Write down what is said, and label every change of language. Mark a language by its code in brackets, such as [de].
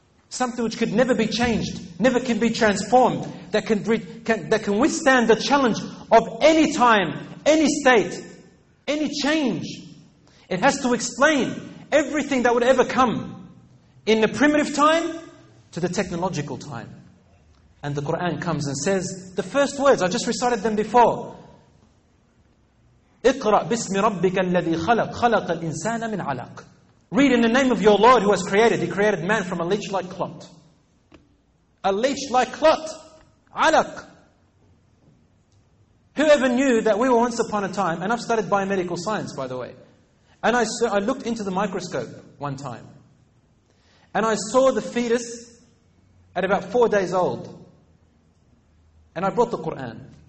[en] Something which could never be changed, never can be transformed, that can withstand the challenge of any time, any state, any change. It has to explain everything that would ever come in the primitive time to the technological time. And the Quran comes and says, the first words, I just recited them before. [ar] اقرأ بسم ربك الذي خلق خلق الإنسان من علق. [en] Read, in the name of your Lord who has created, he created man from a leech-like clot. A leech-like clot. Alak. Whoever knew that we were once upon a time, and I've studied biomedical science, by the way, and I looked into the microscope one time, and I saw the fetus at about 4 days old, and I brought the Quran.